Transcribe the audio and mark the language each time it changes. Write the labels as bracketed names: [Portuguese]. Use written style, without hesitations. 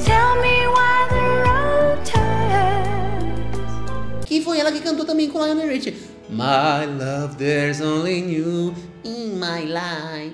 [English] Tell me why the road turns. [Portuguese] Que foi ela que cantou também com Lionel Richie. [English] My love, there's only you in my life.